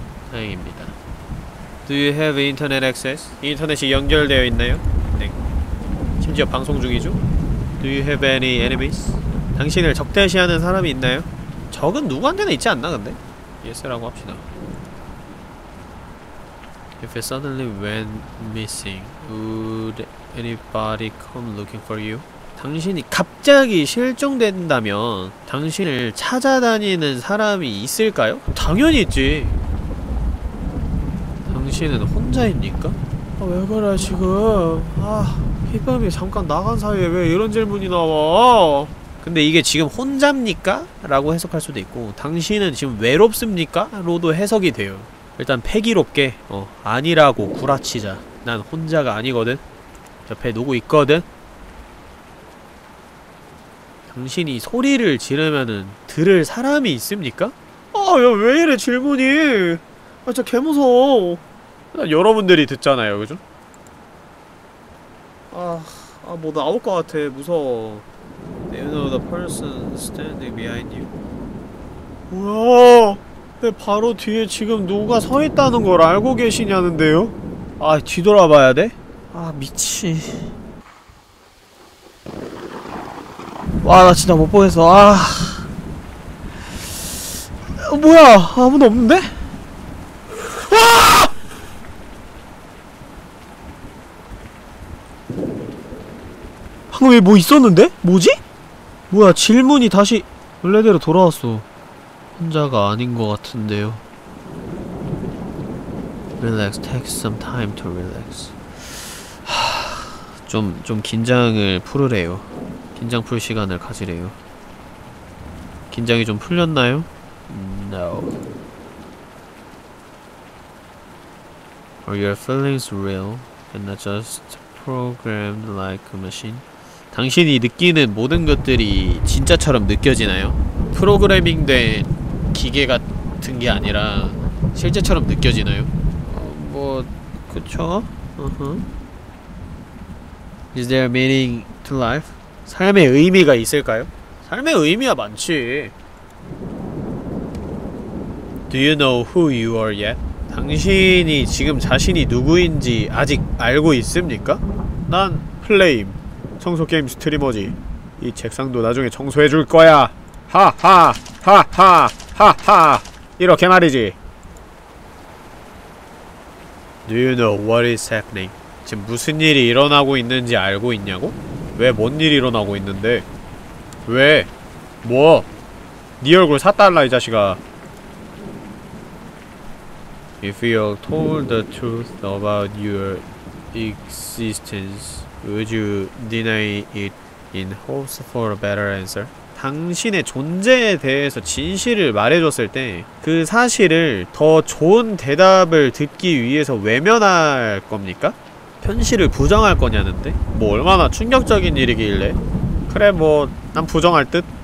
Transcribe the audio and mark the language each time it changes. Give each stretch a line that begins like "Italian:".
Korean: 다행입니다.
English: Do you have internet access?
Korean: 인터넷이 연결되어 있나요? 네. 심지어 방송 중이죠?
English: Do you have any enemies?
Korean: 당신을 적대시하는 사람이 있나요? 적은 누구한테나 있지 않나, 근데? Yes라고 합시다.
English: If it suddenly went missing, would anybody come looking for you?
Korean: 당신이 갑자기 실종된다면 당신을 찾아다니는 사람이 있을까요? 당연히 있지. 당신은 혼자입니까? 아, 왜 그래 지금. 피파미 잠깐 나간 사이에 왜 이런 질문이 나와. 근데 이게 지금 혼잡니까? 라고 해석할 수도 있고, 당신은 지금 외롭습니까? 로도 해석이 돼요. 일단 패기롭게 아니라고 구라치자. 난 혼자가 아니거든. 옆에 누구 있거든. 당신이 소리를 지르면은 들을 사람이 있습니까? 아, 야, 왜 이래 질문이. 아, 진짜 개무서워. 난 여러분들이 듣잖아요, 그죠? 뭐 나올 것 같아, 무서워.
English: Do you know the person standing behind you?
Korean: 뭐야? 내 바로 뒤에 지금 누가 서 있다는 걸 알고 계시냐는데요? 아, 뒤돌아봐야 돼? 아, 미친. 와, 나 진짜 못 보겠어, 아. 뭐야? 아무도 없는데? 방금 왜 뭐 있었는데? 뭐지? 뭐야, 질문이 다시 원래대로 돌아왔어. 혼자가 아닌 것 같은데요.
English: Relax, take some time to relax.
Korean: 좀 긴장을 풀으래요. 긴장 풀 시간을 가지래요. 긴장이 좀 풀렸나요?
English: No. Are your feelings real and not just programmed like a machine?
Korean: 당신이 느끼는 모든 것들이 진짜처럼 느껴지나요? 프로그래밍된 기계 같은 게 아니라 실제처럼 느껴지나요? 뭐 그쵸?
English: Is there meaning to life?
Korean: 삶의 의미가 있을까요? 삶의 의미야 많지.
English: Do you know who you are yet?
Korean: 당신이 지금 자신이 누구인지 아직 알고 있습니까? 난 플레임 청소 게임 스트리머지. 이 책상도 나중에 청소해 줄 거야. 하하 하하 하하. 이렇게 말이지.
English: Do you know what is happening?
Korean: 지금 무슨 일이 일어나고 있는지 알고 있냐고? 왜 뭔 일이 일어나고 있는데? 왜? 뭐? 네 얼굴 사달라 이 자식아.
English: If you told the truth about your existence, would you deny it in hopes for a better answer?
Korean: 당신의 존재에 대해서 진실을 말해줬을 때 그 사실을 더 좋은 대답을 듣기 위해서 외면할 겁니까? 현실을 부정할 거냐는데? 뭐 얼마나 충격적인 일이길래? 그래, 뭐 난 부정할 듯?